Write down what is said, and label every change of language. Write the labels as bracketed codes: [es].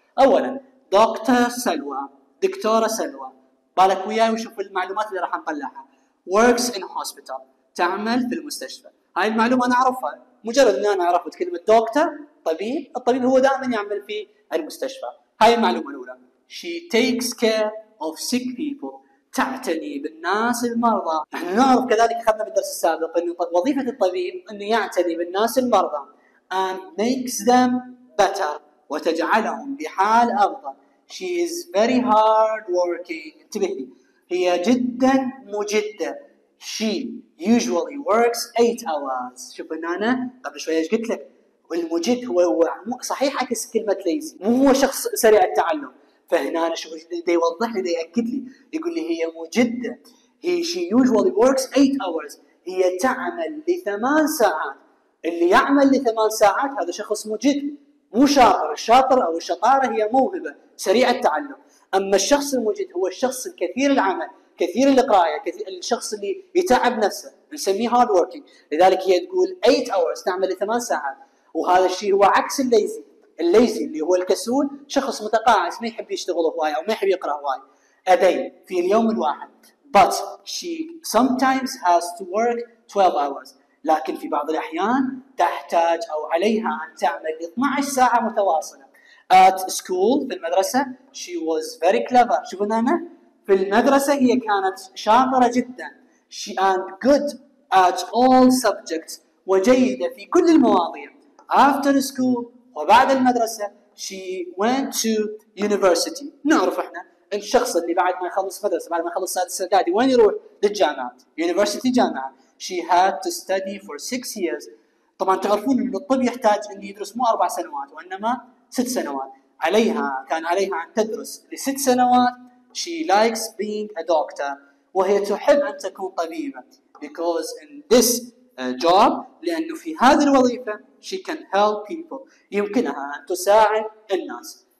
[ar] اولا دكتور سلوى، دكتوره سلوى، بالك وياي وشوف المعلومات اللي راح نطلعها. [en] works in hospital، [ar] تعمل في المستشفى. هاي المعلومة أنا أعرفها، مجرد أن أنا أعرفت كلمة دكتور طبيب، الطبيب هو دائما يعمل في المستشفى. هاي المعلومة الأولى. [en] she takes care of sick people، [ar] تعتني بالناس المرضى. نحن نعرف كذلك أخذنا في الدرس السابق أن وظيفة الطبيب أنه يعتني بالناس المرضى [en] and makes them better، [ar] وتجعلهم بحال أفضل. [en] she is very hard working، [ar] انتبهي هي جدا مجدة. [en] she usually works 8 hours. [ar] شوف أنا قبل شوية إيش قلت لك، والمجد هو صحيح عكس كلمة lazy، مو هو شخص سريع التعلم. فهنا أنا شوف ده يوضح لي ده يأكد لي، يقول لي هي مجدة. [en] she usually works 8 hours، [ar] هي تعمل لثمان ساعات. اللي يعمل لثمان ساعات هذا شخص مجد مو شاطر. الشاطر أو الشطارة هي موهبة سريع التعلم، أما الشخص المجد هو الشخص الكثير العمل، كثير القراية، كثير الشخص اللي يتعب نفسه، نسميه hard working. لذلك هي تقول 8 hours، تعمل 8 ساعات، وهذا الشيء هو عكس الليزي. الليزي اللي هو الكسول، شخص متقاعس ما يحب يشتغل هواي أو ما يحب يقرأ هواي أدين في اليوم الواحد. [en] but she sometimes has to work 12 hours، [ar] لكن في بعض الأحيان تحتاج أو عليها أن تعمل 12 ساعة متواصلة. [en] at school، [ar] في المدرسة، [en] she was very clever. [ar] شوفوا نانا في المدرسة هي كانت شاطرة جدا. [en] she and good at all subjects، [ar] وجيدة في كل المواضيع. [en] after school، [ar] وبعد المدرسة، [en] she went to university. [ar] نعرف احنا الشخص اللي بعد ما يخلص مدرسة، بعد ما يخلص سادس اعدادي وين يروح؟ للجامعة، university، جامعة. [en] she had to study for 6 years. [ar] طبعا تعرفون ان الطب يحتاج ان يدرس مو 4 سنوات وانما 6 سنوات. عليها كان عليها ان تدرس لست سنوات. [en] she likes being a doctor، [ar] وهي تحب أن تكون طبيبة. [en] because in this job، [ar] لأنه في هذه الوظيفة [en] she can help people، [ar] يمكنها أن تساعد الناس.